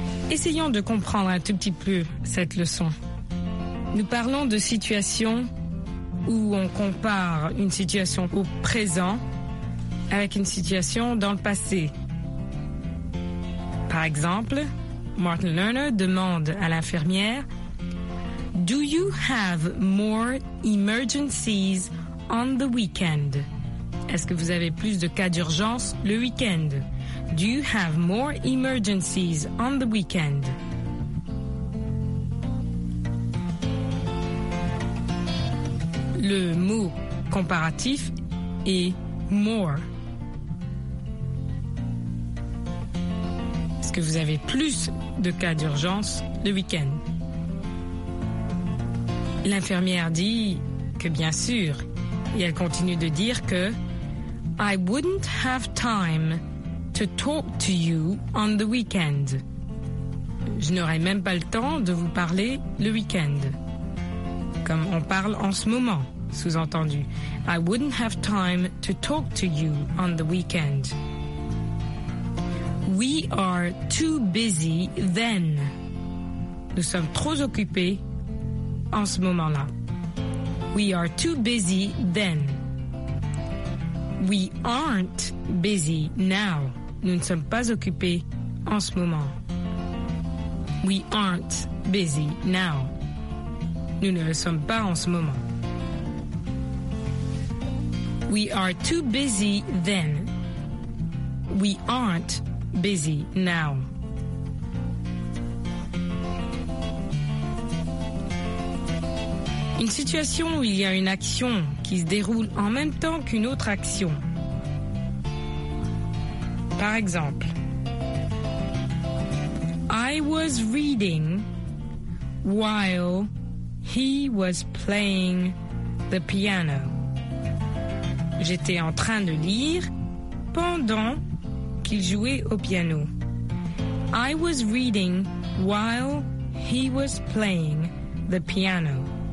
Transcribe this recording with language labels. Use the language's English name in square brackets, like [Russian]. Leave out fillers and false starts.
[French] Essayons de comprendre un tout petit peu cette leçon. Nous parlons de situations où on compare une situation au présent avec une situation dans le passé. Par exemple, Martin Lerner demande à l'infirmière, « [English] Do you have more emergencies on the weekend? [French] » Est-ce que vous avez plus de cas d'urgence le week-end? [English] Do you have more emergencies on the weekend? [French] Le mot comparatif est more. Est-ce que vous avez plus de cas d'urgence le week-end? L'infirmière dit que bien sûr, et elle continue de dire que [English] I wouldn't have time to talk to you on the weekend. [French] Je n'aurais même pas le temps de vous parler le week-end. Comme on parle en ce moment, sous-entendu. [English] I wouldn't have time to talk to you on the weekend. We are too busy then. [French] Nous sommes trop occupés en ce moment-là. [English] We are too busy then. We aren't busy now. [French] Nous ne sommes pas occupés en ce moment. [English] We aren't busy now. [French] Nous ne le sommes pas en ce moment. [English] We are too busy then. We aren't busy now. [French] Une situation où il y a une action qui se déroule en même temps qu'une autre action. Par exemple, [English] I was reading while he was playing the piano. [French] J'étais en train de lire pendant qu'il jouait au piano. [English] I was reading while he was playing the piano.